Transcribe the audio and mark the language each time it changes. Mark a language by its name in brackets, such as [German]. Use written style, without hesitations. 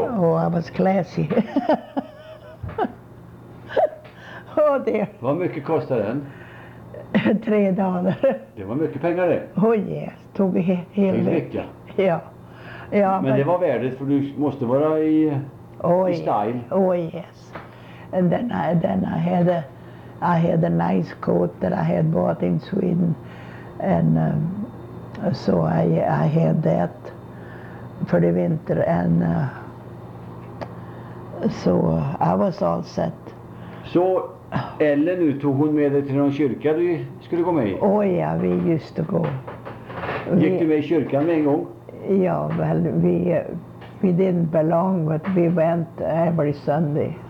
[English] Oh, I was classy. Oh dear. [Swedish] Vad mycket kostade den? [English] $3. [Swedish] Det var mycket pengar det. [English] Oh yes, [Swedish] tog helt mycket. Ja. Ja. Men det var värdet, för du måste vara i... Oh, [English] I style. Yeah. Oh yes, and then I had a nice coat that I had bought in Sweden, and so I had that for the winter, and so I was all set. [Swedish] Så Ellen, tog hon med dig till någon kyrka du skulle gå med i? [English] Oh yeah, we used to go. [Swedish] Gick du med i kyrkan med en gång? Ja, väl vi. [English] We didn't belong, but we went every Sunday.